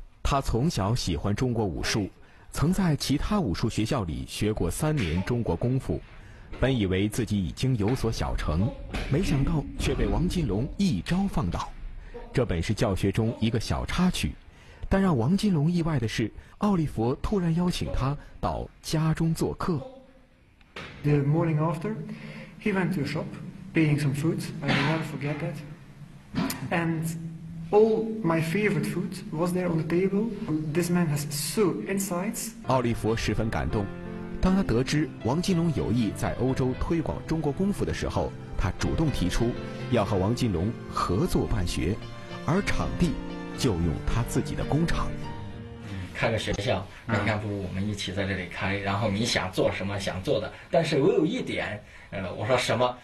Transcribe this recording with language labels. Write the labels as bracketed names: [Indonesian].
[Chinese] 他从小喜欢中国武术，曾在其他武术学校里学过3年中国功夫，本以为自己已经有所小成，没想到却被王金龙一招放倒。这本是教学中一个小插曲，但让王金龙意外的是，奥利佛突然邀请他到家中做客。 [English] The morning after, he went to a shop, buying some fruits. I will never forget that. And. All my favorite food was there on the table. This man has so insights. [Chinese] 奥利佛十分感动，当他得知王金龙有意在欧洲推广中国功夫的时候，他主动提出要和王金龙合作办学，而场地就用他自己的工厂。开个学校，那你看不如我们一起在这里开，然后你想做什么想做的，但是我有一点。我说什么？